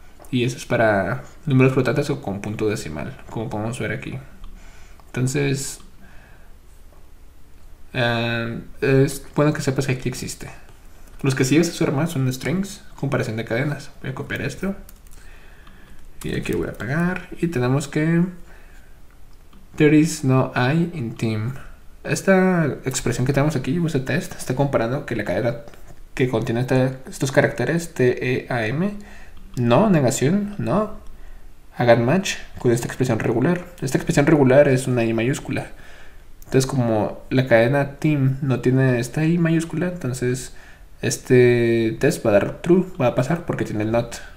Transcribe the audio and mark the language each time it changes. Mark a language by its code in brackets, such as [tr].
[es] Y eso es para números flotantes o con punto decimal, como podemos ver aquí. Entonces, es bueno que sepas que aquí existe. Los que sigues a su hermano son strings, comparación de cadenas. Voy a copiar esto. Y aquí voy a pegar. Y tenemos que [en] there is no I in team. [es] Esta expresión que tenemos aquí, este test, está comparando que la cadena que contiene estos caracteres, T-E-A-M, no, negación, no, hagan match con esta expresión regular. Esta expresión regular es una I mayúscula. Entonces, como la cadena team no tiene esta I mayúscula, entonces este test va a dar true, va a pasar porque tiene el not.